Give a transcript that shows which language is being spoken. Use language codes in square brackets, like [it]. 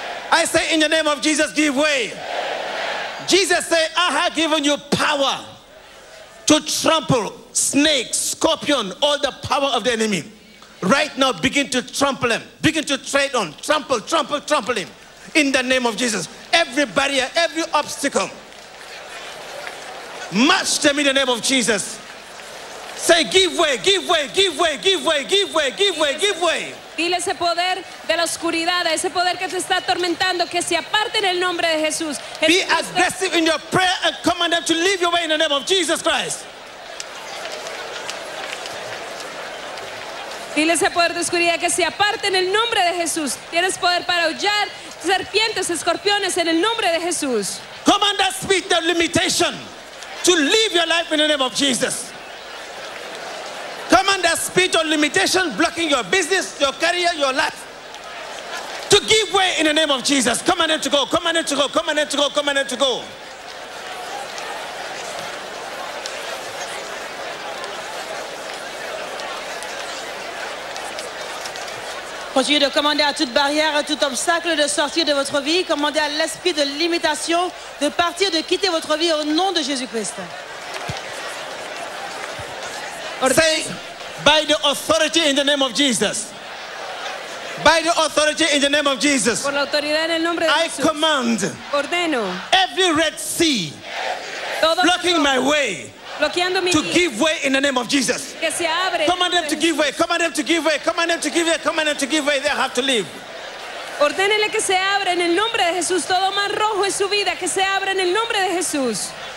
[en] I say in the name of Jesus, give way. Jesus said, I have given you power to trample snakes, scorpion, all the power of the enemy. Right now, begin to trample them. Begin to tread on. Trample, trample, trample him. In the name of Jesus, every barrier, every obstacle, march them in the name of Jesus. Say, give way, give way, give way, give way, give way, give way, give way. [es] Dile ese poder de la oscuridad, ese poder que te está atormentando, que se aparte en el nombre de Jesús. [en] Be aggressive in your prayer and command them to leave your way in the name of Jesus Christ. [es] Dile ese poder de oscuridad que se aparte en el nombre de Jesús. Tienes poder para aullar serpientes, escorpiones en el nombre de Jesús. [en] Command that spirit of limitation to live your life in the name of Jesus. Command that spirit of limitation blocking your business, your career, your life, to give way in the name of Jesus. Command it to go, command it to go, command it to go, command it to go. [fr] Continuez de commander à toute barrière, à tout obstacle de sortir de votre vie. Commandez à l'esprit de limitation de partir, de quitter votre vie au nom de Jésus-Christ. [en] Say, by the authority in the name of Jesus. By the authority in the name of Jesus. [es] Por la autoridad en el nombre de Jesús. [en] I command. [es] Ordeno. [en] Every Red Sea. Blocking my way. [es] Bloqueando mi [en] to give way in the name of Jesus. [es] Que se abre. [en] Command them to give way. Command them to give way. Command them to give way. Command them to give way. They have to leave. [es] Ordénele que se abra en el nombre de Jesús. Todo mar rojo en su vida, que se abra en el nombre de Jesús.